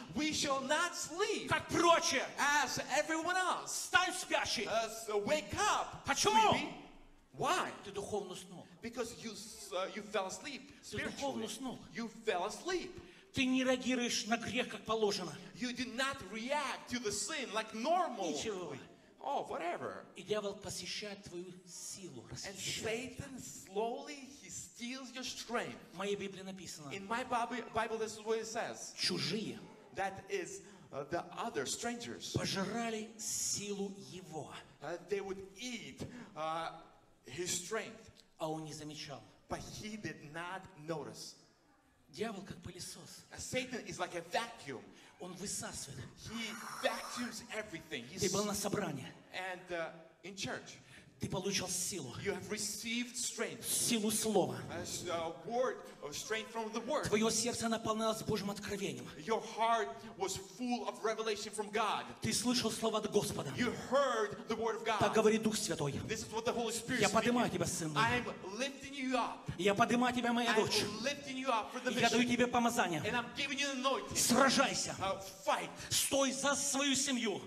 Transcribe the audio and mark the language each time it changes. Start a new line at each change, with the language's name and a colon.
English: We shall not sleep.
Russian: Как прочие.
English: As everyone else.
Russian: Стань спящий.
English: So wake up.
Russian: Почему?
English: Why?
Russian: Ты духовно уснул.
English: Because you fell asleep.
Russian: Ты духовно уснул.
English: You fell asleep.
Russian: Ты не реагируешь на грех, как положено.
English: You did not react to the sin like normal.
Russian: Ничего.
English: Oh, whatever.
Russian: И дьявол посещает твою силу.
English: And Satan slowly he steals your strength.
Russian: В моей Библии написано.
English: In my Bible this is what it says.
Russian: Чужие.
English: That is the other strangers.
Russian: Пожирали силу его.
English: They would eat his strength.
Russian: А он не замечал.
English: But he did not notice.
Russian: Дьявол как пылесос.
English: Satan is like a vacuum.
Russian: Он высасывает.
English: He vacuums everything.
Russian: Ты был на собрании.
English: And in church.
Russian: Ты получил силу.
English: You have received strength.
Russian: Силу слова.
English: A word of strength from the word.
Russian: Твое сердце наполнялось Божьим откровением.
English: Your heart was full of revelation from God.
Russian: Ты слышал слово от Господа.
English: You heard the word of God.
Russian: Так говорит Дух Святой.
English: This is what the Holy Spirit
Russian: Я поднимаю тебя, сын мой.
English: I am lifting you up.
Russian: Я поднимаю тебя, моя дочь.
English: I'm lifting you up for the mission.
Russian: Я даю тебе помазание.
English: And I'm giving you the anointing.
Russian: Сражайся.
English: Fight.
Russian: Стой за свою семью.